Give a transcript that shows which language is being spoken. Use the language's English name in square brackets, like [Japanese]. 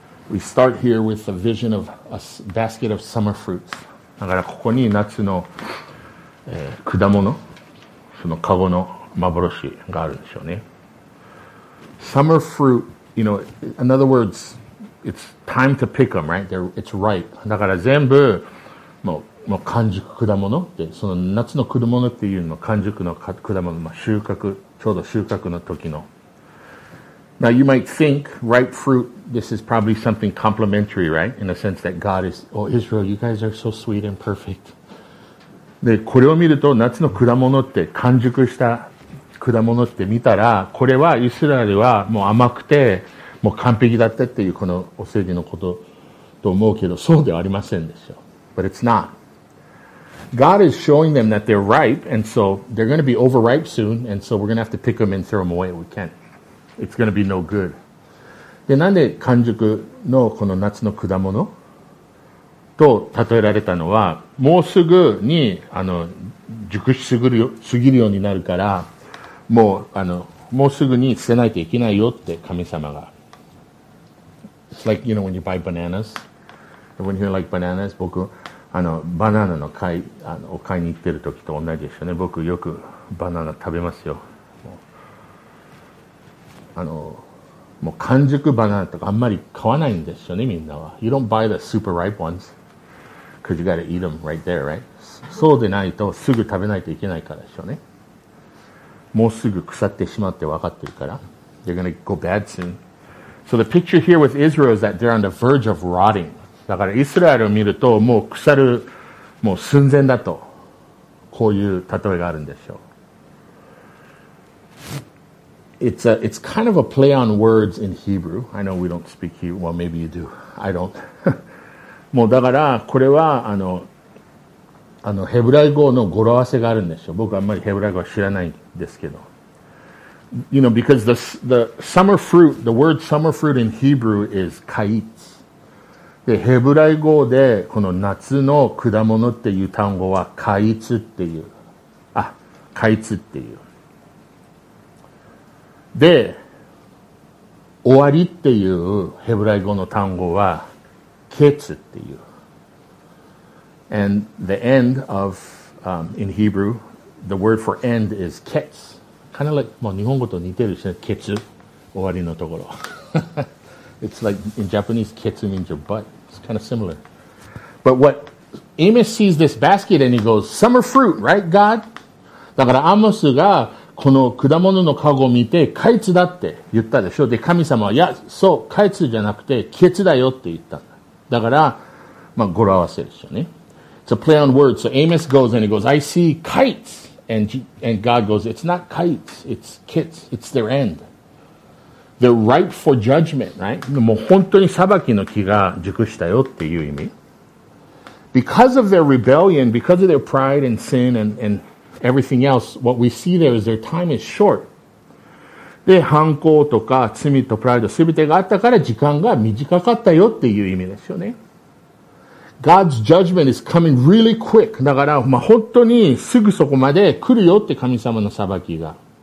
[English] We start here with the vision of a basket of summer fruits. [Japanese] だからここに夏の、果物、そのカゴの幻があるんでしょうね。 [English] Summer fruit, you know, in other words, it's time to pick them, right? It's ripe. [Japanese] だから全部、もう完熟果物って、その夏の果物っていうの、完熟の果物、まあ、収穫、ちょうど収穫の時の。 [English] Now you might think ripe fruit, this is probably something complimentary, right? In a sense that God is, oh Israel, you guys are so sweet and perfect. [Japanese] で、これを見ると夏の果物って、完熟した果物って見たら、これはイスラエルはもう甘くて、もう完璧だったっていうこのお世辞のことと思うけど、そうではありませんでしょう。 [English] But it's not. God is showing them that they're ripe, and so they're going to be overripe soon, and so we're going to have to pick them and throw them away. We can't. It's going to be no good. [Japanese] で、なんで完熟のこの夏の果物と例えられたのは、もうすぐに、熟しすぎるようになるから、もうすぐに捨てないといけないよって神様が。 [English] It's like, you know, when you buy bananas. Everyone here like bananas? [Japanese] 僕、バナナの買い、お買いに行ってる時と同じですよね。僕よくバナナ食べますよ。もう完熟バナナとかあんまり買わないんですよね、みんなは。 [English] You don't buy the super ripe ones. Because you gotta eat them right there, right? [Japanese] そうでないとすぐ食べないといけないからでしょうね。もうすぐ腐ってしまって分かってるから。 [English] They're gonna go bad soon. So the picture here with Israel is that they're on the verge of rotting. [Japanese] だからイスラエルを見るともう腐る、もう寸前だと、こういう例えがあるんでしょう。 [English] It's kind of a play on words in Hebrew. I know we don't speak Hebrew. Well, maybe you do. I don't. [Japanese] もうだからこれはヘブライ語の語呂合わせがあるんでしょう。僕あんまりヘブライ語は知らないんですけど。 [English] You know, because the summer fruit, the word summer fruit in Hebrew is kaitz. [Japanese] で、ヘブライ語でこの夏の果物っていう単語はカイツっていう。あ、カイツっていう。で、終わりっていうヘブライ語の単語はケツっていう。 [English] And the end of, in Hebrew, the word for end is ketz. kind of like, [Japanese] もう日本語と似てるしね、ケツ、終わりのところ。 [English] It's like in Japanese, ケツ means your butt. It's kind of similar. But what Amos sees this basket and he goes, summer fruit, right, God? [Japanese] だからアモスがこの果物のカゴを見て、カイツだって言ったでしょ。で、神様は、いや、そう、カイツじゃなくて、ケツだよって言ったんだ。だから、まあ、語呂合わせでしょうね。 [English] It's a play on words. So Amos goes and he goes, I see kites. And God goes, it's not kites. It's kits. It's their end. They're ripe for judgment, right? [Japanese] もう本当に裁きの木が熟したよっていう意味。 [English] Because of their rebellion, because of their pride and sin and everything else, what we see there is their time is short. [Japanese] で、反抗とか罪とプライド全てがあったから時間が短かったよっていう意味ですよね。 [English] God's judgment is coming really quick. [Japanese] だから、まあ、本当にすぐそこまで来るよって神様の裁きが。